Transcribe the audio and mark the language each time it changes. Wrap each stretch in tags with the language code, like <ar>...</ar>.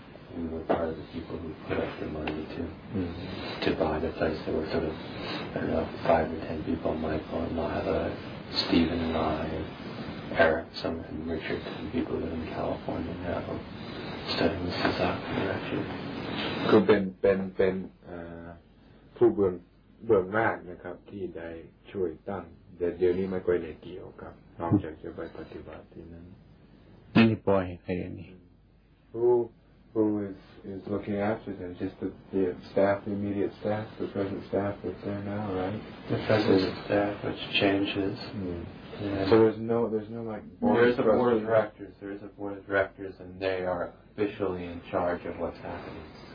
<en>And we were part of the people who put up the money to buy the place. There were sort of, I don't know, 5 or 10 people, Michael and Lila, Stephen and I, Eric, some of them, Richard, some people live in California now. studying the Sasak tradition.</en> <th>ก็เป็นผู้เบื้องหน้านะครับที่ได้ช่วยตั้งแต่เดี๋ยวนี้ไม่ค่อยได้เกี่ยวกับนอกจากจะไปปฏิบัติที่นั้น ไม่ได้ปล่อยใครนี่</th> <en>who is looking after them just the staff, the immediate staff, the present staff that's there now, right? The present staff, which changes. So there's no like board of directors. There is a board of directors, and they are officially in charge of what's happening.</en>